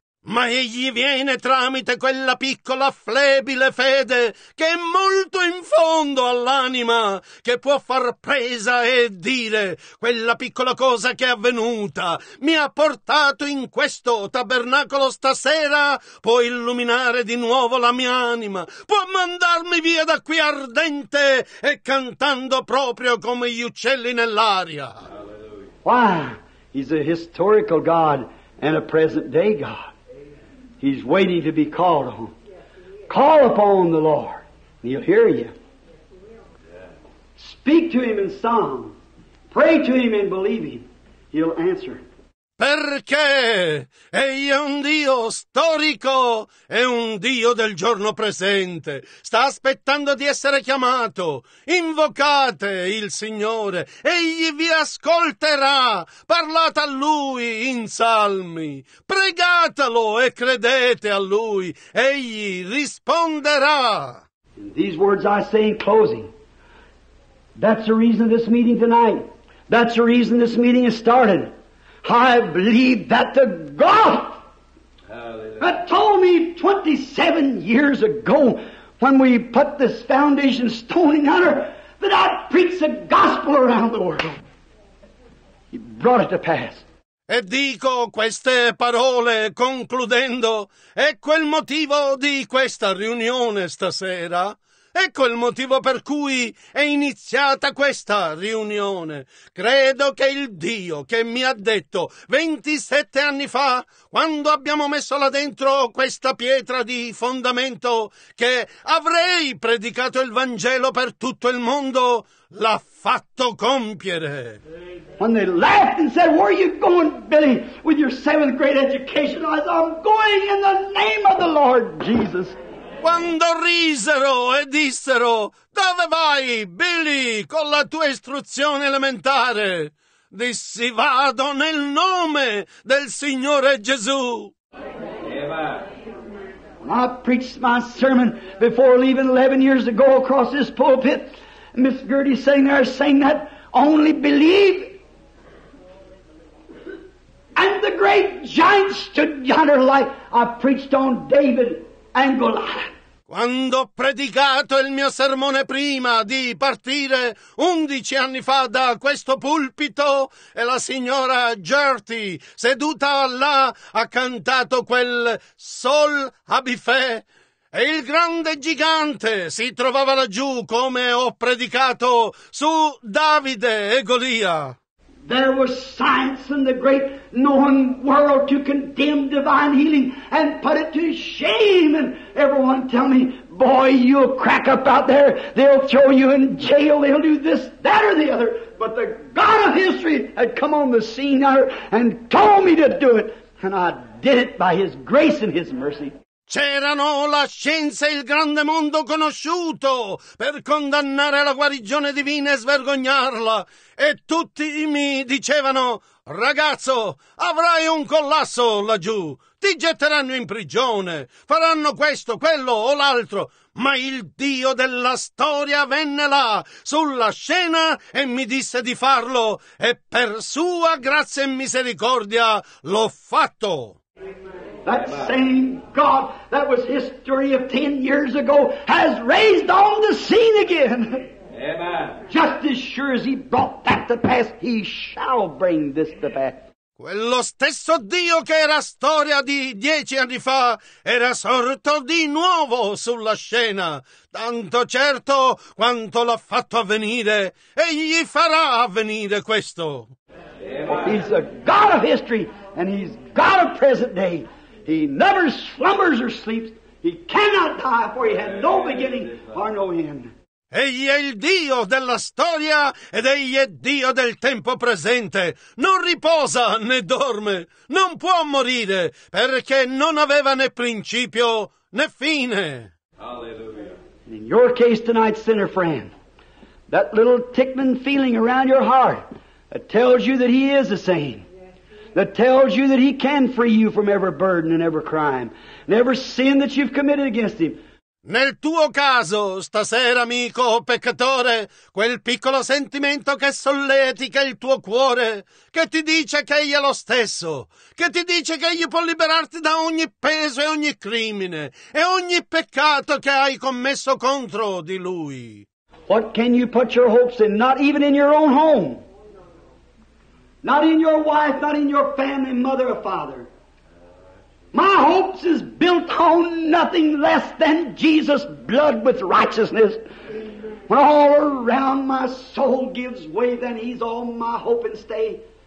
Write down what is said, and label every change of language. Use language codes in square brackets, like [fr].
[it] Ma egli viene tramite quella piccola flebile fede che è molto in fondo all'anima, che può far presa e dire: quella piccola cosa che è avvenuta mi ha portato in questo tabernacolo stasera, può illuminare di nuovo la mia anima, può mandarmi via da qui ardente e cantando proprio come gli uccelli nell'aria. [en] Hallelujah. Wow, he's a historical God and a present day God. He's waiting to be called on. Call upon the Lord, and He'll hear you. Speak to Him in song. Pray to Him in believing. He'll answer. [it] Perché egli è un Dio storico e un Dio del giorno presente. Sta aspettando di essere chiamato. Invocate il Signore. Egli vi ascolterà. Parlate a Lui in salmi. Pregatelo e credete a Lui. Egli risponderà. [en] In these words I say in closing. That's the reason this meeting tonight. That's the reason this meeting is started. I believe that the God Hallelujah. That told me 27 years ago when we put this foundation stone in honor that I'd preach the gospel around the world. He brought it to pass. [it] E dico queste parole concludendo, ecco il motivo di questa riunione stasera. Ecco il motivo per cui è iniziata questa riunione. Credo che il Dio che mi ha detto 27 anni fa, quando abbiamo messo là dentro questa pietra di fondamento, che avrei predicato il Vangelo per tutto il mondo, l'ha fatto compiere. [en] When they laughed and said, where are you going, Billy, with your seventh grade education? I said, I'm going in the name of the Lord Jesus. [it] Quando risero e dissero, dove vai, Billy, con la tua istruzione elementare? Dissi, vado nel nome del Signore Gesù. [en] When I preached my sermon before leaving 11 years ago across this pulpit, Miss Gertie sitting there saying that, only believe. And the great giant stood yonder like I preached on David and Goliath. [it] Quando ho predicato il mio sermone prima di partire 11 anni fa da questo pulpito e la signora Gertie seduta là ha cantato quel Sol Abifè e il grande gigante si trovava laggiù come ho predicato su Davide e Golia. [en] There was science in the great known world to condemn divine healing and put it to shame. And everyone tell me, boy, you'll crack up out there. They'll throw you in jail. They'll do this, that, or the other. But the God of history had come on the scene now and told me to do it. And I did it by His grace and His mercy. [it] C'erano la scienza e il grande mondo conosciuto per condannare la guarigione divina e svergognarla. E tutti mi dicevano, ragazzo, avrai un collasso laggiù, ti getteranno in prigione, faranno questo, quello o l'altro. Ma il Dio della storia venne là, sulla scena, e mi disse di farlo, e per sua grazia e misericordia l'ho fatto. [en] That same God that was history of 10 years ago has raised on the scene again. Amen. Just as sure as He brought that to pass, He shall bring this to pass. [it] Quello stesso Dio che era storia di 10 anni fa era sorto di nuovo sulla scena. Tanto certo quanto l'ha fatto avvenire, egli farà avvenire questo. Amen. [en] He's a God of history and He's God of present day. He never slumbers or sleeps. He cannot die, for He had no beginning or no end. [it] Egli è il Dio della storia ed egli è Dio del tempo presente. Non riposa né dorme. Non può morire perché non aveva né principio né fine. [en] Hallelujah. In your case tonight, sinner friend, that little tickling feeling around your heart that tells you that He is the same, that tells you that He can free you from every burden and every crime and every sin that you've committed against Him. [it] Nel tuo caso, stasera, amico peccatore, quel piccolo sentimento che solletica il tuo cuore, che ti dice che Egli è lo stesso, che ti dice che Egli può liberarti da ogni peso e ogni crimine e ogni peccato che hai commesso contro di Lui. [en] What can you put your hopes in? Not even in your own home. Not in your wife, not in your family, mother or father. My hopes is built on nothing less than Jesus' blood with righteousness. When all around my soul gives way, then He's all my hope and stay.